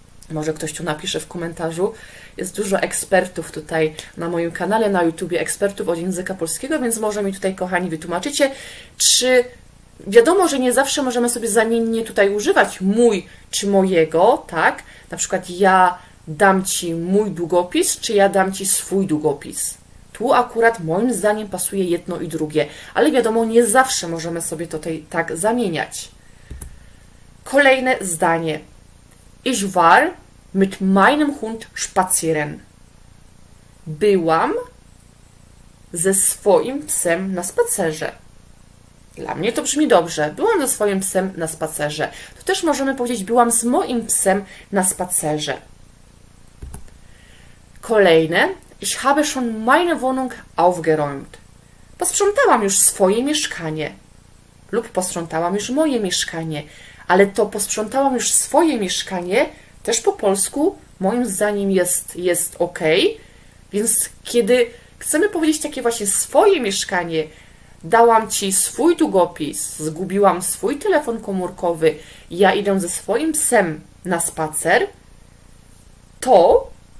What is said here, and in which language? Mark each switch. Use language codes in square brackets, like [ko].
[pl] Może ktoś tu napisze w komentarzu. Jest dużo ekspertów tutaj na moim kanale na YouTubie, ekspertów od języka polskiego, więc może mi tutaj, kochani, wytłumaczycie, czy wiadomo, że nie zawsze możemy sobie zamiennie tutaj używać mój czy mojego, tak? Na przykład ja dam ci mój długopis, czy ja dam ci swój długopis. Tu akurat moim zdaniem pasuje jedno i drugie, ale wiadomo, nie zawsze możemy sobie tutaj tak zamieniać. Kolejne zdanie. [de] Ich war mit meinem Hund spazieren. [pl] Byłam ze swoim psem na spacerze. Dla mnie to brzmi dobrze. Byłam ze swoim psem na spacerze. Tu też możemy powiedzieć, byłam z moim psem na spacerze. Kolejne. [de] Ich habe schon meine Wohnung aufgeräumt. [pl] Posprzątałam już swoje mieszkanie. Lub posprzątałam już moje mieszkanie. Ale to posprzątałam już swoje mieszkanie też po polsku moim zdaniem jest ok. Więc kiedy chcemy powiedzieć takie właśnie swoje mieszkanie, dałam ci swój długopis, zgubiłam swój telefon komórkowy, ja idę ze swoim psem na spacer, to